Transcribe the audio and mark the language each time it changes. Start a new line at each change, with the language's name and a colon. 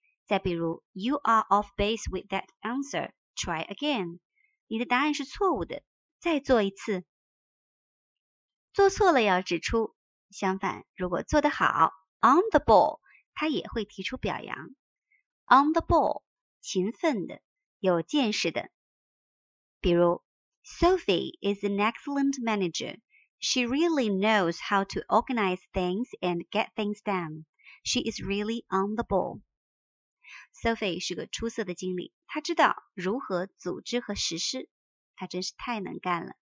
Chinese: 再比如
English: ，You are off base with that answer. Try again.
Chinese: 你的答案是错误的，再做一次。做错了要指出，相反，如果做得好 ，
English: on the ball,
Chinese: 他也会提出表扬。
English: On the ball,
Chinese: 勤奋的，有见识的。比如
English: ,Sophie is an excellent manager. She really knows how to organize things and get things done. She is really on the ball.
Chinese: Sophie 是个出色的经理，她知道如何组织和实施，她真是太能干了。